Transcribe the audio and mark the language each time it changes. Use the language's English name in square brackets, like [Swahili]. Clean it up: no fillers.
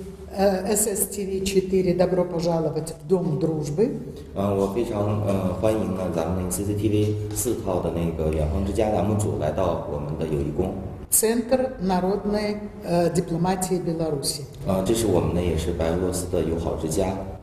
[Russian] SSTV4 добро пожаловать в дом дружбы. [Chinese] 我非常欢迎咱们 CCTV 4号的那个远方之家栏目组来到我们的友谊宫。 [Russian] Центр народной дипломатии Беларуси. [Chinese] 啊，这是我们的，也是白俄罗斯的友好之家。